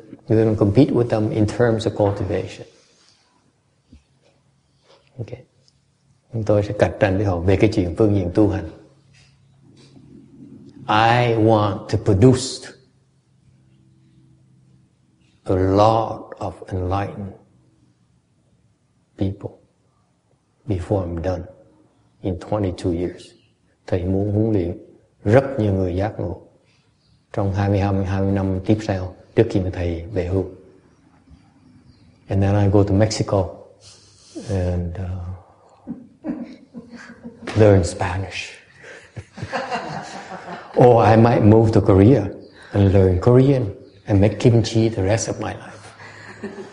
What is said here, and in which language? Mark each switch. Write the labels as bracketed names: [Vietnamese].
[English] We're going to compete with them in terms of cultivation. Okay. [Vietnamese] Chúng tôi sẽ cạnh tranh với họ về cái chuyện phương diện tu hành. [English] I want to produce a lot of enlightened people before I'm done in 22 years. [Vietnamese] Thầy muốn huấn luyện rất nhiều người giác ngộ trong 20 năm tiếp theo trước khi mà thầy về hưu. [English] And then I go to Mexico and learn Spanish. Or I might move to Korea and learn Korean and make kimchi the rest of my life.